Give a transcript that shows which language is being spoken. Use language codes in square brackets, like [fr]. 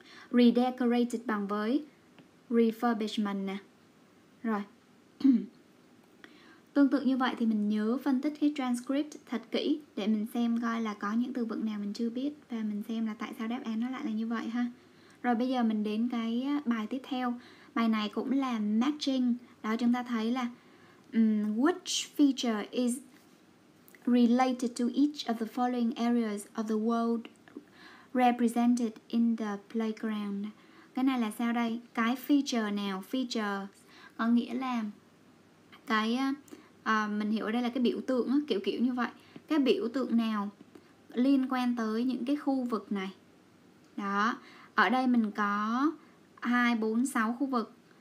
[vi] Redecorated bằng với refurbishment nè. Rồi. Tương tự như vậy thì mình nhớ phân tích cái transcript thật kỹ để mình xem coi là có những từ vựng nào mình chưa biết, và mình xem là tại sao đáp án nó lại là như vậy ha. Rồi bây giờ mình đến cái bài tiếp theo. Bài này cũng là matching. Đó, chúng ta thấy là [en] which feature is related to each of the following areas of the world represented in the playground. [vi] Cái này là sao đây? Cái feature nào? Feature có nghĩa là cái mình hiểu ở đây là cái biểu tượng, kiểu kiểu như vậy. Cái biểu tượng nào liên quan tới những cái khu vực này? Đó. Ở đây mình có 2, 4, 6 khu vực.